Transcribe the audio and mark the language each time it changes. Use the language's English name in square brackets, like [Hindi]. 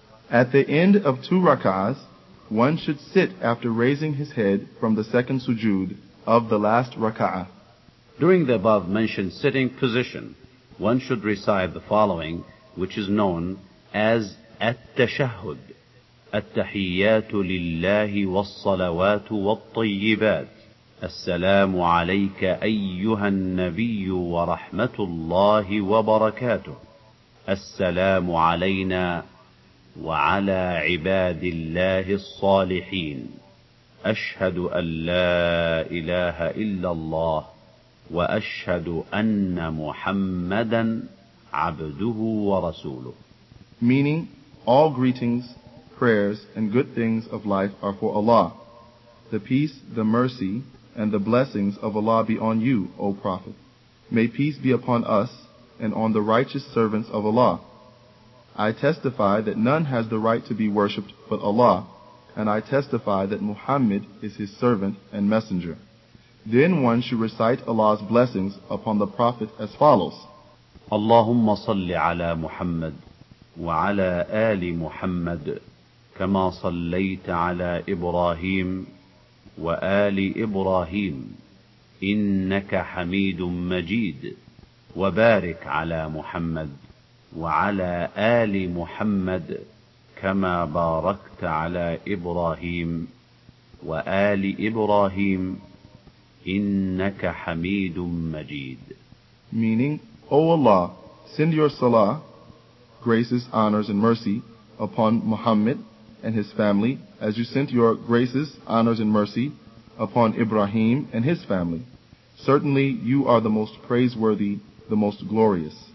[English] At the end of two raka'ahs, one should sit after raising his head from the second sujood of the last raka'ah. During the above-mentioned sitting position, one should recite the following, which is known as at-tashahhud. [Arabic] At-tahiyyatu lillahi was-salawatu wat-tayyibat. السلام عليك أيها النبي ورحمة الله وبركاته السلام علينا وعلى عباد الله الصالحين أشهد أن لا إله إلا الله وأشهد أن محمدا عبده ورسوله. [English] Meaning, all greetings, prayers, and good things of life are for Allah. The peace, the mercy, and the blessings of Allah be on you, O Prophet. May peace be upon us and on the righteous servants of Allah. I testify that none has the right to be worshipped but Allah, and I testify that Muhammad is his servant and messenger. Then one should recite Allah's blessings upon the Prophet as follows. [Arabic] Allahumma salli ala Muhammad wa ala ali Muhammad kama sallaita ala Ibrahim وآل إبراهيم إنك حميد مجيد وبارك على محمد وعلى آل محمد كما باركت على إبراهيم وآل إبراهيم إنك حميد مجيد. [English] Meaning, O Allah, send your salah, graces, honors, and mercy upon Muhammad and his family, as you sent your graces, honors, and mercy upon Ibrahim and his family. Certainly, you are the most praiseworthy, the most glorious.